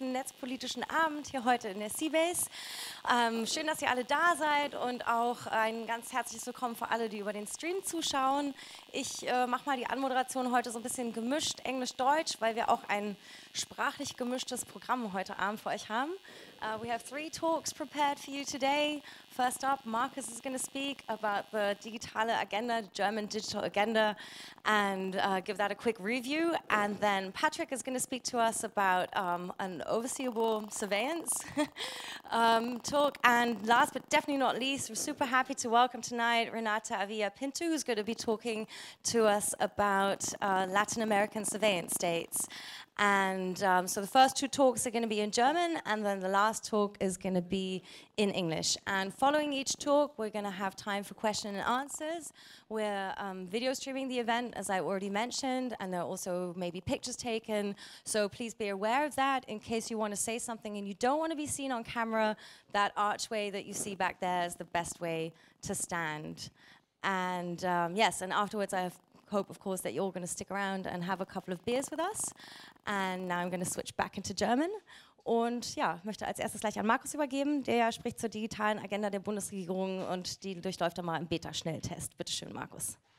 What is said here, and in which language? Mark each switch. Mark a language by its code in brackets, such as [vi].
[de] netzpolitischen Abend hier heute in der C-Base. Schön, dass ihr alle da seid und auch ein ganz herzliches Willkommen für alle, die über den Stream zuschauen. Ich mache mal die Anmoderation heute so ein bisschen gemischt, Englisch-Deutsch, weil wir auch ein sprachlich gemischtes Programm heute Abend für euch haben. [en] We have three talks prepared for you today. First up, Marcus is going to speak about the digitale agenda, the German digital agenda, and give that a quick review. And then Patrick is going to speak to us about an overseeable surveillance talk. And last but definitely not least, we're super happy to welcome tonight Renata Avila-Pinto, who's going to be talking to us about Latin American surveillance states. And so the first two talks are going to be in German, and then the last talk is going to be in English. And following each talk, we're going to have time for questions and answers. We're video streaming the event, as I already mentioned, and there are also maybe pictures taken. So please be aware of that in case you want to say something and you don't want to be seen on camera. That archway that you see back there is the best way to stand. And yes, and afterwards I hope, of course, that you're all going to stick around and have a couple of beers with us. And now I'm going to switch back into German. [de] Und ja, möchte als erstes gleich an Markus übergeben, der ja spricht zur digitalen Agenda der Bundesregierung und die durchläuft er mal im Beta-Schnelltest. Bitte schön, Markus.